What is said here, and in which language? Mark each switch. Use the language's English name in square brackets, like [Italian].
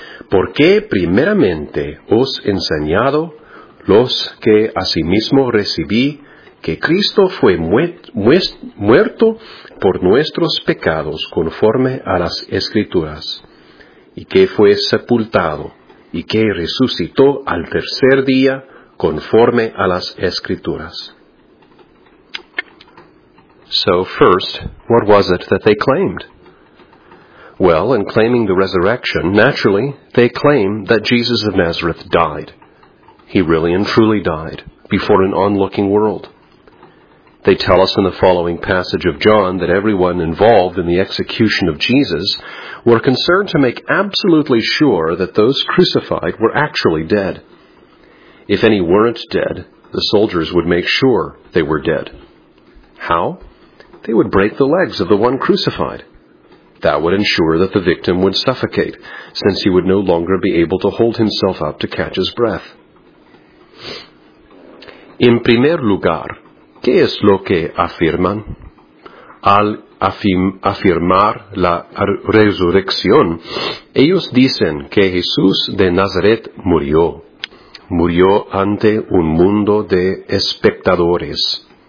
[Spanish] ¿Por qué primeramente os he enseñado los que asimismo recibí que Cristo fue muerto por nuestros pecados conforme a las Escrituras, y que fue sepultado, y que resucitó al tercer día conforme a las Escrituras? [English] So first, what was it that they claimed? Well, in claiming the resurrection, naturally, they claim that Jesus of Nazareth died. He really and truly died before an onlooking world. They tell us in the following passage of John that everyone involved in the execution of Jesus were concerned to make absolutely sure that those crucified were actually dead. If any weren't dead, the soldiers would make sure they were dead. How? They would break the legs of the one crucified. That would ensure that the victim would suffocate, since he would no longer be able to hold himself up to catch his breath. [Spanish] In primer lugar, ¿qué es lo que afirman? Al afirmar la resurrección, ellos dicen que Jesús de Nazaret murió. Murió ante un mundo de espectadores.